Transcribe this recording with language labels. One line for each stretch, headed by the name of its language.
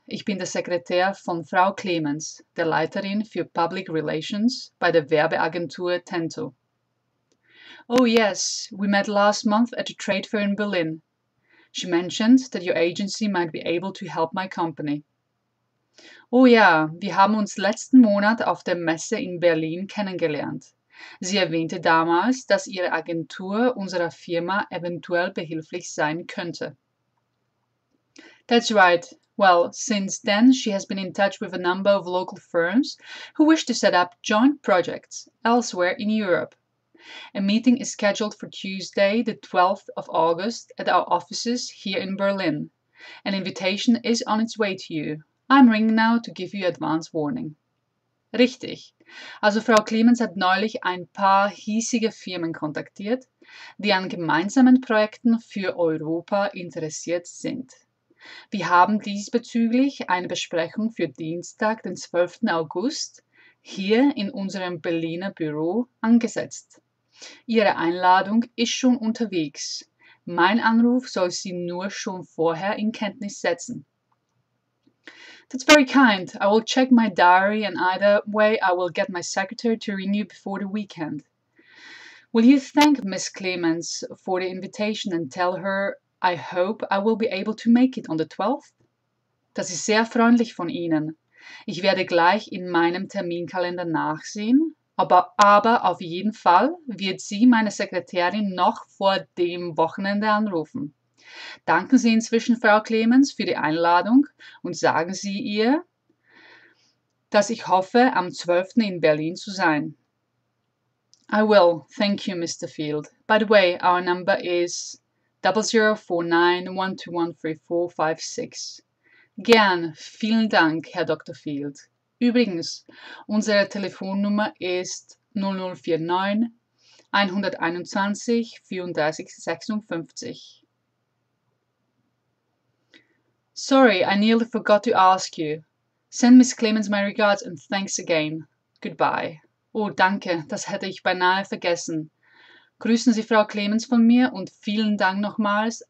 German: Ich bin der Sekretär von Frau Clemens, der Leiterin für Public Relations bei der Werbeagentur Tento.
English: Oh yes, we met last month at a trade fair in Berlin. She mentioned that your agency might be able to help my company.
German: Oh ja, wir haben uns letzten Monat auf der Messe in Berlin kennengelernt. Sie erwähnte damals, dass ihre Agentur unserer Firma eventuell behilflich sein könnte.
English: That's right. Well, since then she has been in touch with a number of local firms who wish to set up joint projects elsewhere in Europe. A meeting is scheduled for Tuesday, the 12th of August at our offices here in Berlin. An invitation is on its way to you. I'm ringing now to give you advance warning.
German: Richtig. Also Frau Clemens hat neulich ein paar hiesige Firmen kontaktiert, die an gemeinsamen Projekten für Europa interessiert sind. Wir haben diesbezüglich eine Besprechung für Dienstag, den 12. August, hier in unserem Berliner Büro angesetzt. Ihre Einladung ist schon unterwegs. Mein Anruf soll Sie nur schon vorher in Kenntnis setzen.
English: That's very kind. I will check my diary and either way I will get my secretary to ring you before the weekend. Will you thank Miss Clemens for the invitation and tell her I hope I will be able to make it on the 12th.
German: Das ist sehr freundlich von Ihnen. Ich werde gleich in meinem Terminkalender nachsehen, aber auf jeden Fall wird sie meine Sekretärin noch vor dem Wochenende anrufen. Danken Sie inzwischen Frau Clemens für die Einladung und sagen Sie ihr, dass ich hoffe, am 12. in Berlin zu sein.
English: I will. Thank you, Mr. Field. By the way, our number is 0049-121-3456.
German: Gern, vielen Dank, Herr Dr. Field. Übrigens, unsere Telefonnummer ist 0049-121-3456.
English: Sorry, I nearly forgot to ask you. Send Miss Clemens my regards and thanks again. Goodbye.
German: Oh, danke, das hätte ich beinahe vergessen. Grüßen Sie Frau Clemens von mir und vielen Dank nochmals.